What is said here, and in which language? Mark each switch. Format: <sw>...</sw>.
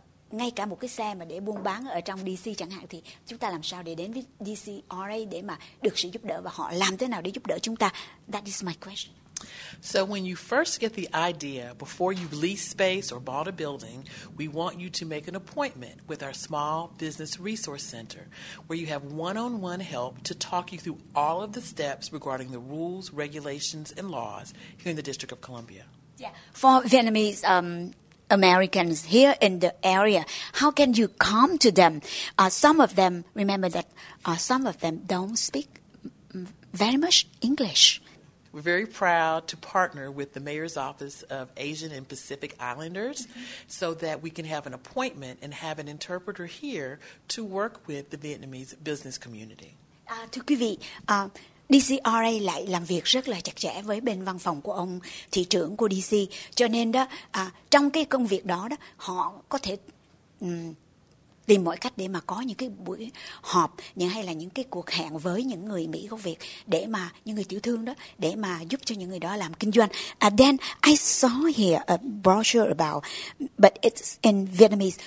<vi>ngay cả một cái xe mà để buôn bán ở trong DC chẳng hạn, thì chúng ta làm sao để đến với DCRA để mà được sự giúp đỡ, và họ làm thế nào để giúp đỡ chúng ta?</vi> <en>That is my question. So when you first get the idea, before you've leased space or bought a building, we want you to make an appointment with our Small Business Resource Center, where you have one-on-one help to talk you through all of the steps regarding the rules, regulations, and laws here in the District of Columbia. Yeah, for Vietnamese... Americans here in the area, how can you come to them? Some of them, remember that some of them don't speak very much English. We're very proud to partner with the Mayor's Office of Asian and Pacific Islanders so that we can have an appointment and have an interpreter here to work with the Vietnamese business community.</en> <vi>Thưa quý vị, DCRA lại làm việc rất là chặt chẽ với bên văn phòng của ông thị trưởng của DC, cho nên đó trong cái công việc đó đó, họ có thể tìm mọi cách để mà có những cái buổi họp, những hay là những cái cuộc hẹn với những người Mỹ gốc Việt, để mà những người tiểu thương đó, để mà giúp cho những người đó làm kinh doanh.</vi> <en>Then I saw here a brochure about, but it's in Vietnamese.</en>